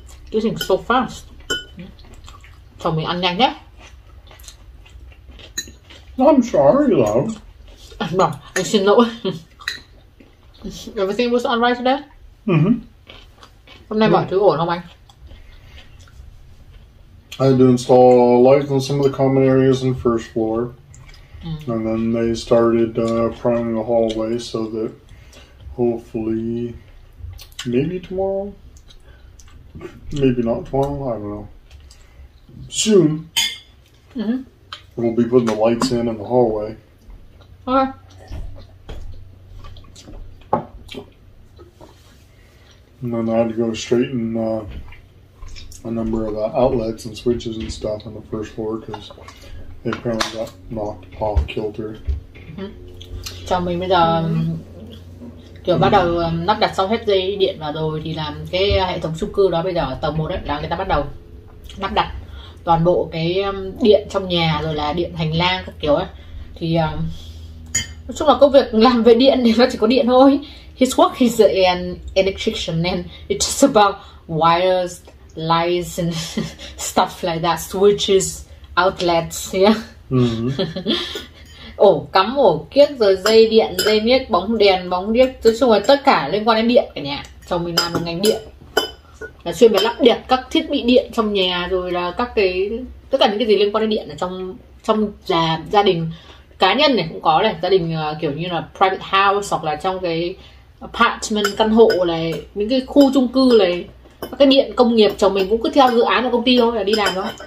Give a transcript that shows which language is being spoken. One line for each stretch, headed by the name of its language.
English: Eating so fast.
Vietnamese: Chồng mình ăn nhanh nhé.
English: I'm sorry, love.
Vietnamese: Anh bảo, anh xin lỗi.
English: Everything was alright today? Mm-hmm.
Vietnamese: Hôm nay mọi thứ ổn không anh?
English: I had to install lights in some of the common areas on the first floor. Mm. And then they started priming the hallway so that hopefully, maybe tomorrow, maybe not tomorrow, I don't know. Soon, mm-hmm. we'll be putting the lights in the hallway. Okay. And then I had to go straighten a number of outlets and switches and stuff on the first floor because they apparently got knocked off kilter. Mm-hmm.
Vietnamese: Chào mình bây giờ kiểu bắt đầu lắp đặt xong hết dây điện vào rồi thì làm cái hệ thống chung cư đó bây giờ ở tầng 1 ấy, là người ta bắt đầu lắp đặt toàn bộ cái điện trong nhà rồi là điện hành lang các kiểu ấy. Thì nói chung là công việc làm về điện thì nó chỉ có điện thôi.
English: His work is an electrician and it's just about wires, lights and stuff like that, switches, outlets, yeah. Mm-hmm.
Vietnamese: Ổ cắm, ổ kiếc, rồi dây điện, dây miếc, bóng đèn, bóng điếc, nói chung là tất cả liên quan đến điện cả nhà. Chồng mình làm một ngành điện, là chuyên về lắp đặt các thiết bị điện trong nhà, rồi là các cái tất cả những cái gì liên quan đến điện ở trong gia đình cá nhân này cũng có này, gia đình kiểu như là
English: private house
Vietnamese: hoặc là trong cái apartment căn hộ này, những cái khu chung cư này, cái điện công nghiệp chồng mình cũng cứ theo dự án của công ty thôi là đi làm thôi.